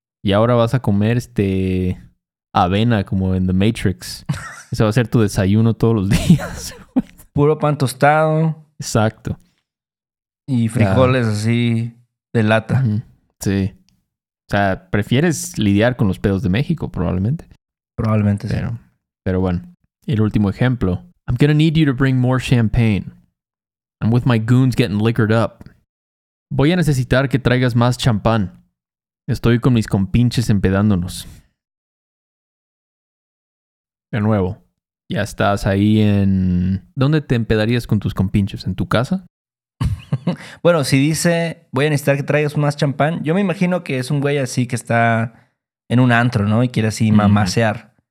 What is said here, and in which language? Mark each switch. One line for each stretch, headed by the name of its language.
Spanish: Y ahora vas a comer, avena, como en The Matrix. Ese va a ser tu desayuno todos los días. Puro pan tostado. Exacto. Y frijoles así de lata. Sí. O sea, prefieres lidiar con los pedos de México, probablemente. Probablemente, pero, sí. Pero bueno. El último ejemplo.
English: I'm gonna need you to bring more champagne. I'm with my goons getting liquored up.
Spanish: Voy a necesitar que traigas más champán. Estoy con mis compinches empedándonos. De nuevo. Ya estás ahí en... ¿Dónde te empedarías con tus compinches? ¿En tu casa? Bueno, si dice, voy a necesitar que traigas más champán, yo me imagino que es un güey así que está en un antro, ¿no? Y quiere así mamasear.